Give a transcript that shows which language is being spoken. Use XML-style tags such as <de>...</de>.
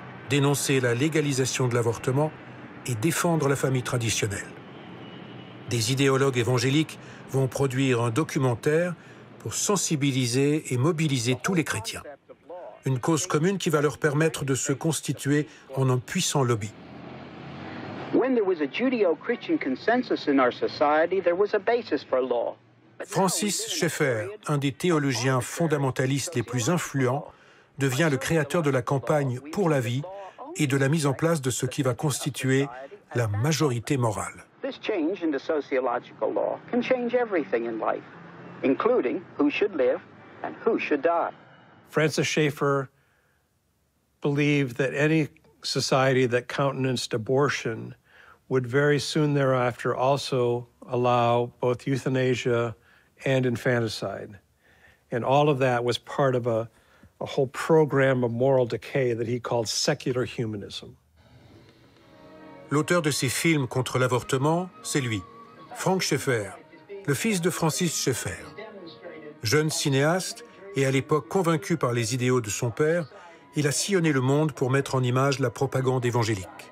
<fr>Dénoncer la légalisation de l'avortement et défendre la famille traditionnelle. Des idéologues évangéliques vont produire un documentaire pour sensibiliser et mobiliser tous les chrétiens. Une cause commune qui va leur permettre de se constituer en un puissant lobby.</fr> <en>When there was a Judeo-Christian consensus in our society, there was a basis for law.</en> <fr>Francis Schaeffer, un des théologiens fondamentalistes les plus influents, devient le créateur de la campagne pour la vie et de la mise en place de ce qui va constituer la majorité morale.</fr> <en>This change in the sociological law can change everything in life, including who should live and who should die. Francis Schaeffer believed that any society that countenanced abortion would very soon thereafter also allow both euthanasia and infanticide. And all of that was part of a whole program of moral decay that he called secular humanism.</en> <fr>L'auteur de ces films contre l'avortement, c'est lui, Frank Schaeffer, le fils de Francis Schaeffer. Jeune cinéaste et à l'époque convaincu par les idéaux de son père, il a sillonné le monde pour mettre en image la propagande évangélique.</fr>